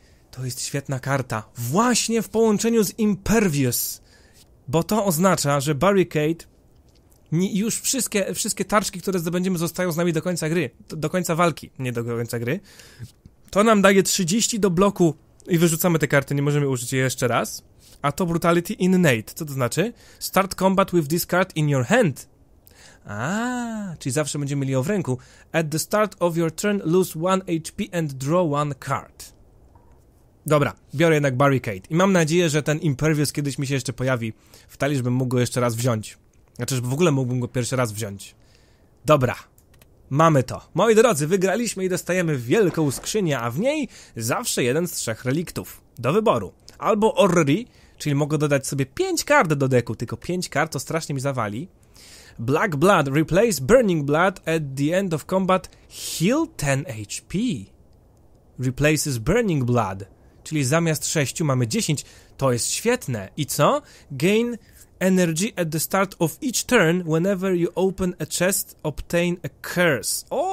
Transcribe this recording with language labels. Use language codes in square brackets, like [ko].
[pl] To jest świetna karta. Właśnie w połączeniu z Impervious. Bo to oznacza, że Barricade... Już wszystkie tarczki, które zdobędziemy, zostają z nami do końca gry. Do końca walki, nie do końca gry. To nam daje 30 do bloku i wyrzucamy te karty. Nie możemy użyć je jeszcze raz. A to Brutality Innate. Co to znaczy? [en] Start combat with this card in your hand. [pl] Czyli zawsze będziemy mieli ją w ręku. [en] At the start of your turn, lose 1 HP and draw 1 card. [pl] Dobra, biorę jednak Barricade. I mam nadzieję, że ten Impervious kiedyś mi się jeszcze pojawi w talii, żebym mógł go jeszcze raz wziąć. Znaczy, żeby w ogóle mógłbym go pierwszy raz wziąć. Dobra, mamy to. Moi drodzy, wygraliśmy i dostajemy wielką skrzynię, a w niej zawsze jeden z 3 reliktów. Do wyboru. Albo Orri, czyli mogę dodać sobie 5 kart do deku, tylko 5 kart to strasznie mi zawali. [en] Black Blood, replace Burning Blood at the end of combat, heal 10 HP. Replaces Burning Blood, [pl] czyli zamiast 6 mamy 10, to jest świetne. I co? [en] Gain energy at the start of each turn, whenever you open a chest, obtain a curse.